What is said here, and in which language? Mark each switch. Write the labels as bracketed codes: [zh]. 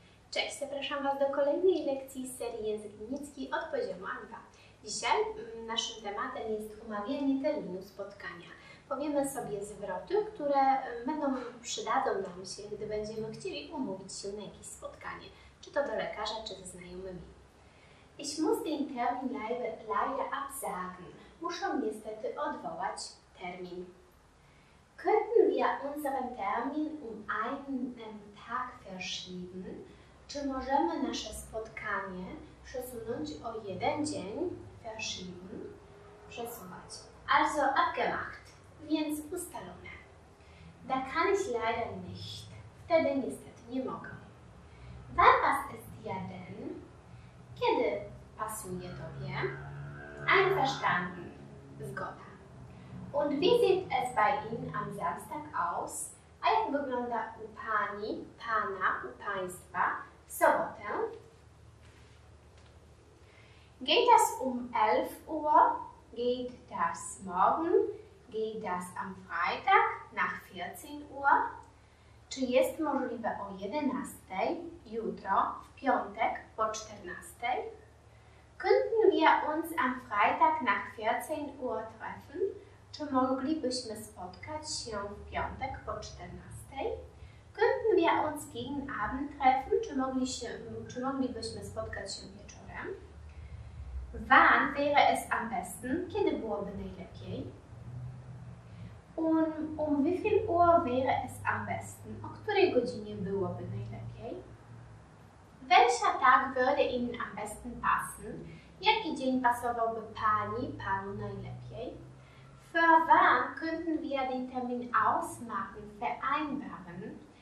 [pl] Cześć, zapraszam Was do kolejnej lekcji z serii Język Niemiecki od poziomu A2. Dzisiaj naszym tematem jest umawianie terminu spotkania. Powiemy sobie zwroty, które przydadzą nam się, gdy będziemy chcieli umówić się na jakieś spotkanie, czy to do lekarza, czy ze znajomymi. [de] Ich muss den Termin leider absagen. [pl] Muszę niestety odwołać termin. [de] Könnten wir unseren Termin einen Tag verschieben? [pl] Czy możemy nasze spotkanie przesunąć o jeden dzień? [de] Verschieben. [pl] Przesuwać. [de] Also abgemacht. [pl] Więc ustalone. [de] Da kann ich leider nicht. [pl] Wtedy niestety nie mogę. [de] Wann passt es dir denn? [pl] Kiedy pasuje tobie? [de] Einverstanden. [pl] Zgoda. [de] Und wie sieht es bei Ihnen am Samstag aus? [pl] A jak wygląda u pani, pana, u państwa? Sobotę. [de] Geht das um 11 Uhr? Geht das morgen? Geht das am Freitag nach 14 Uhr? [pl] Czy jest możliwe o 11? Jutro, w piątek, po 14? [de] Könnten wir uns am Freitag nach 14 Uhr treffen? [pl] Czy moglibyśmy spotkać się w piątek po 14? [de] Könnten wir uns gegen Abend treffen? [pl] Czy moglibyśmy spotkać się wieczorem? [de] Wann wäre es am besten? [pl] Kiedy byłoby najlepiej? [de] Um wie viel Uhr wäre es am besten? [pl] O której godzinie byłoby najlepiej? [de] Welcher Tag würde Ihnen am besten passen? [pl] Jaki dzień pasowałby Pani, Panu najlepiej? [de] Für wann könnten wir den Termin ausmachen, vereinbaren?